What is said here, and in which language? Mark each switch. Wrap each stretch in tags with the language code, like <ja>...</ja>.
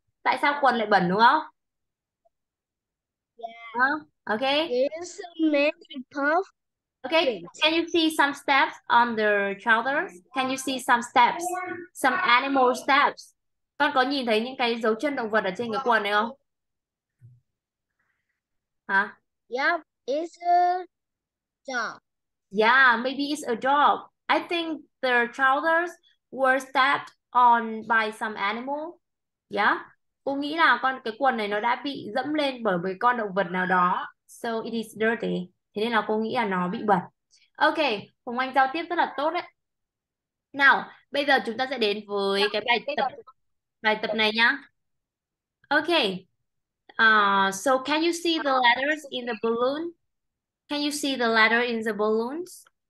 <vi>Tại sao quần lại bẩn đúng không?</vi> <en>Okay. There's many puff Okay, prints. can you see some steps on the trousers? Can you see some steps? Some animal steps.</en> <vi>Con có nhìn thấy những cái dấu chân động vật ở trên cái quần này không? Hả?</vi> <en>Yep, it's a dog. Yeah, maybe it's a dog. I think their trousers were stepped on by some animal. Yeah.</en> <vi>Cô nghĩ là con cái quần này nó đã bị dẫm lên bởi một con động vật nào đó.</vi> <en>So it is dirty.</en> <vi>Thế nên là cô nghĩ là nó bị bẩn. Ok, Hồng Anh giao tiếp rất là tốt đấy. Nào, bây giờ chúng ta sẽ đến với cái bài tập này nhá. Ok.</vi> <en>So can you see the letters in the balloon? Can you see the letter in the balloons?</en>